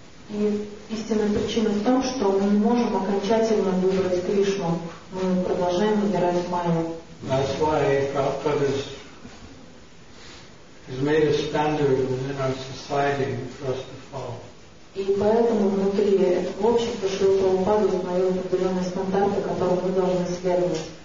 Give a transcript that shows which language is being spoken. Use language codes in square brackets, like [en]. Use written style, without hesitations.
[ru] И истинная причина в том, что мы не можем окончательно выбрать Кришну. Мы продолжаем выбирать Майю. [en] That's why Prabhupada has made a standard within our society for us to follow. [ru] И поэтому внутри общества Шрила Прабхупада установил определенные стандарты, которым мы должны следовать.